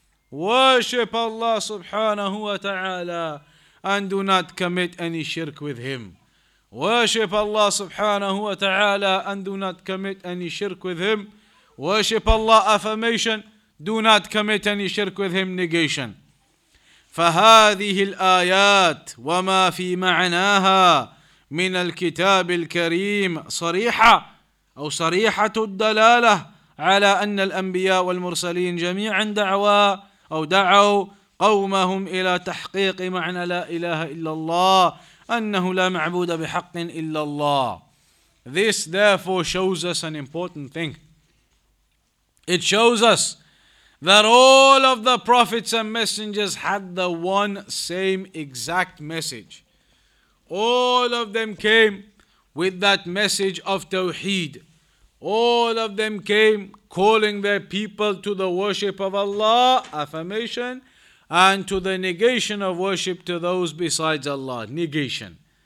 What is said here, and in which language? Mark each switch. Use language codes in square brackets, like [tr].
[en] Worship Allah subhanahu wa ta'ala and do not commit any shirk with him. Worship Allah subhanahu wa ta'ala and do not commit any shirk with him. Worship Allah affirmation, do not commit any shirk with him negation. [ar] فهذه الآيات وما في معناها من الكتاب الكريم صريحة أو صريحة الدلالة على أن الأنبياء والمرسلين جميعا دعوا أو دعوا قومهم إلى تحقيق معنى لا إله إلا الله أنه لا معبود بحق إلا الله. [en] This therefore shows us an important thing. It shows us that all of the prophets and messengers had the one same exact message. All of them came with that message of Tawheed. All of them came calling their people to the worship of Allah, affirmation, and to the negation of worship to those besides Allah, negation.